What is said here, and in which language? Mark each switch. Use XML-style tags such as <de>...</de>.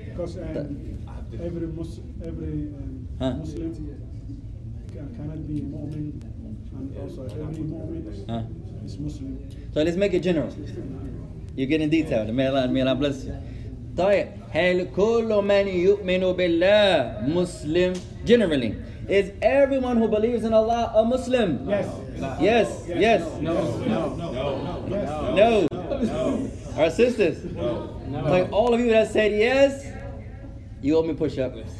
<en>Because every Muslim cannot be Mormon, and also every Mormon is Muslim. So let's make it general. You get in detail. May Allah bless you.</en> <ar>طيب هل كل من يؤمن بالله مسلم generally?</ar> <en>Is everyone who believes in Allah a Muslim? Yes. Yes. Yes. No. No. No. Our sisters. No. Like all of you that said yes, you owe me push-up.</en>